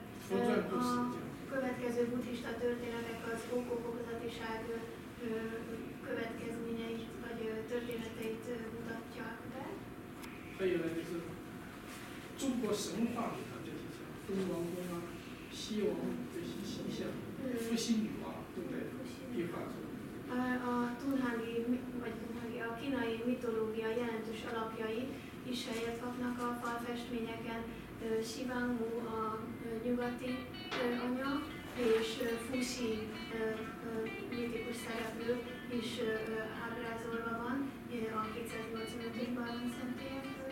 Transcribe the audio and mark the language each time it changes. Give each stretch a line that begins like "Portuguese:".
Hungarian: A következő buddhista történetek az okok-okozatiság következményeit vagy történeteit mutatja.
Chinese: 还有呢，就是中国神话里头这些像东王公啊、西王这些形象，伏羲女王都在壁画中。
Hungarian: A kínai mitológia jelentős alapjai is helyet kapnak a falfestményeken. Shivangmu a nyugati anya, és Fuxi mitikus szereplő is ábrázolva van a 285-ös Bálon Szentélyek.